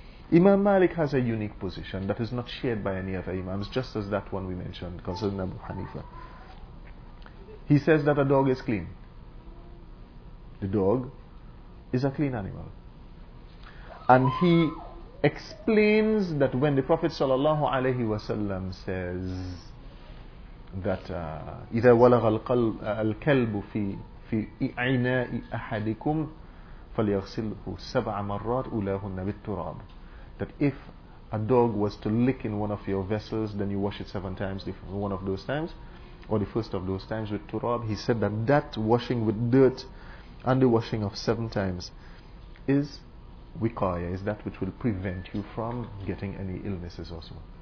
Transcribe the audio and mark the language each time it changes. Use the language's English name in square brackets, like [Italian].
[English] Imam Malik has a unique position that is not shared by any other imams, just as that one we mentioned concerning Abu Hanifa. He says that a dog is clean. The dog is a clean animal. And he explains that when the Prophet ﷺ says that [Arabic] إذا ولغ الكلب في عناء أحدكم فليغسله سبع مرات أولاهن بالتراب. [English] That if a dog was to lick in one of your vessels, then you wash it seven times, one of those times, or the first of those times with turab. He said that that washing with dirt, and the washing of seven times, is wikaya, is that which will prevent you from getting any illnesses also.